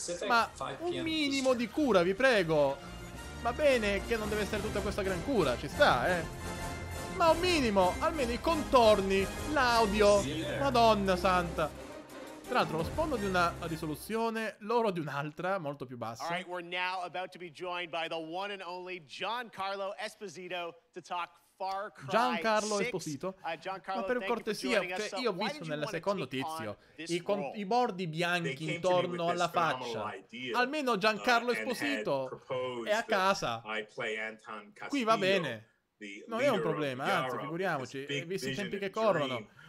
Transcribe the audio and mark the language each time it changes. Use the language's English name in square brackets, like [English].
[Italian] Ma un minimo di cura, vi prego. Va bene che non deve essere tutta questa gran cura, ci sta, eh. Ma un minimo, almeno i contorni, l'audio. Madonna santa. Tra l'altro, lo sfondo di una risoluzione, l'oro di un'altra, molto più bassa. [English] All right, we're now about to be joined by the one and only Giancarlo Esposito to talk Far Cry 6. Giancarlo Esposito. [Italian] Ma per cortesia, cioè, io ho visto nel secondo tizio i bordi bianchi intorno alla faccia. Almeno Giancarlo Esposito è a casa. Qui va bene. Non è un problema, anzi, figuriamoci, visti i tempi che corrono.